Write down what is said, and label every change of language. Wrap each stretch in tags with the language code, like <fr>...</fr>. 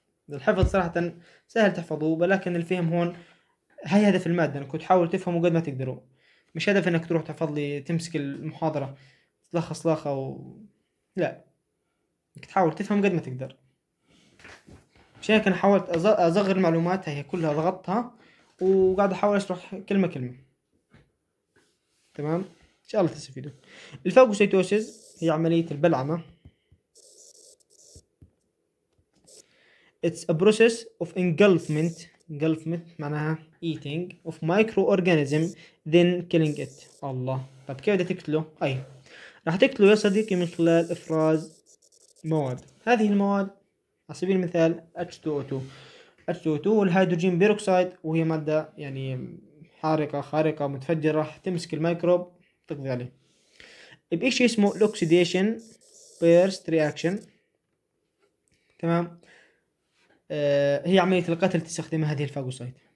<ar>الحفظ صراحة سهل تحفظوه، ولكن الفهم هون هاي هدف المادة، انكم تحاولوا تفهموا قد ما تقدروا، مش هدف انك تروح تحفظ لي تمسك المحاضرة تلخص لاخة لا، انك تحاول تفهم قد ما تقدر. مش هيك، انا حاولت اصغر المعلومات هي كلها ضغطتها وقاعد احاول اشرح كلمه كلمه، تمام؟ ان شاء الله تستفيدوا. الفاجوسيتوسيس هي عمليه البلعمه.</ar> <en>It's a process of engulfment. Engulfment معناها eating of microorganism then killing it.</en> <ar>الله، طب كيف بدك تقتله؟ اي راح تقتله يا صديقي من خلال افراز مواد. هذه المواد على سبيل المثال H2O2، H2O2 والهيدروجين بيروكسيد، وهي مادة يعني حارقة خارقة متفجرة، راح تمسك الميكروب تقضي عليه بإشي اسمه الأكسيديشن بيرست رياكشن، تمام؟ هي عملية القتل تستخدمها هذه الفاجوسايت.</ar>